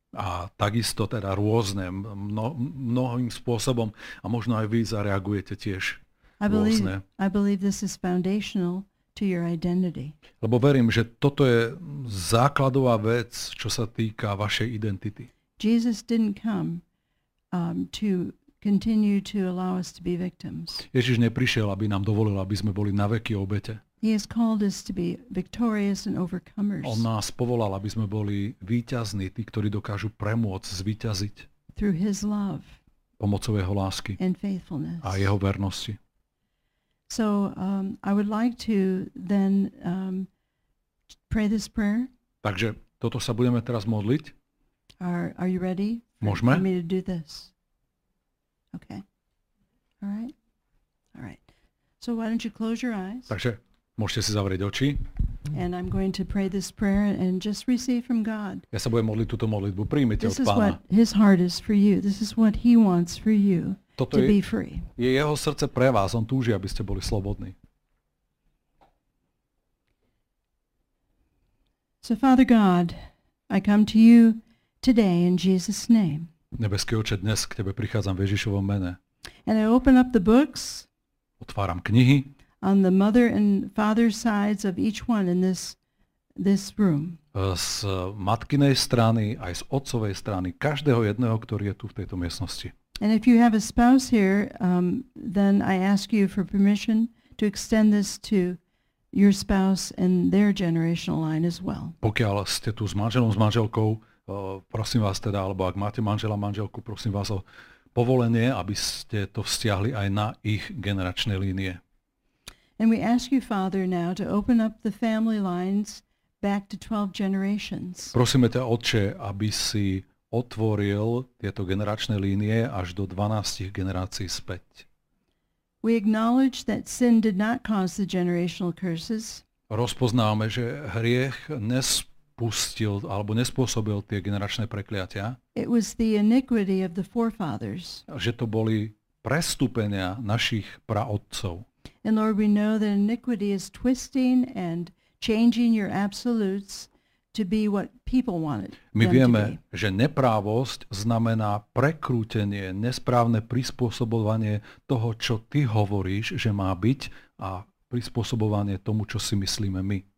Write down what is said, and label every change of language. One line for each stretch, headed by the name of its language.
Slovak: A takisto teda rôzne, mnohým spôsobom. A možno aj vy zareagujete tiež rôzne.
English: I believe this is foundational to your identity.
Slovak: Lebo verím, že toto je základová vec, čo sa týka vašej identity.
English: Jesus didn't come to continue to allow us to be victims.
Slovak: Ježiš neprišiel, aby nám dovolil, aby sme boli naveky obete.
English: He has called us to be victorious and overcomers.
Slovak: On nás povolal, aby sme boli víťazní, tí, ktorí dokážu premôcť, zvíťaziť.
English: Through his love.
Slovak: Pomocou jeho lásky.
English: And faithfulness.
Slovak: A jeho vernosti.
English: So I would like to then pray this prayer.
Slovak: Takže toto sa budeme teraz modliť.
English: Are you ready?
Slovak: Môžeme?
English: For me to do this. Okay. All right. So why don't you close your eyes?
Slovak: Takže môžete si zavrieť oči.
English: And I'm going to pray this prayer and just receive from God.
Slovak: Ja sa budem modliť túto modlitbu. Prijmite od Pána.
English: This is what his heart is for you. This is what he wants for you.
Slovak: Toto je jeho srdce pre vás. On túži, aby ste boli slobodní.
English: So Father God, I come to you today in Jesus' name.
Slovak: Nebeský Otče, dnes k tebe prichádzam v Ježišovom mene.
English: And I open up the books.
Slovak: Otváram knihy.
English: On the mother and father sides of each one in this room.
Slovak: Z matkinej strany aj z otcovej strany každého jedného, ktorý je tu v tejto miestnosti.
English: And if you have a spouse here, then I ask you for permission to extend this to your spouse and their generational line as well.
Slovak: Pokiaľ ste tu s manželom, s manželkou, prosím vás teda, alebo ak máte manžela, manželku, prosím vás o povolenie, aby ste to vzťahli aj na ich generačné línie.
English: And we ask you, Father, now to open up the family lines back to 12 generations.
Slovak: Prosíme ťa, Otče, aby si otvoril tieto generačné línie až do 12 generácií späť.
English: We acknowledge that sin did not cause the generational curses.
Slovak: Rozpoznáme, že hriech nespustil alebo nespôsobil tie generačné prekliatia.
English: It was the iniquity of the forefathers.
Slovak: Že to boli prestúpenia našich praotcov.
English: And Lord, we know that iniquity is twisting and changing your absolutes to be what people want it.
Slovak: My vieme, že neprávosť znamená prekrútenie, nesprávne prispôsobovanie toho, čo ty hovoríš, že má byť, a prispôsobovanie tomu, čo si myslíme my.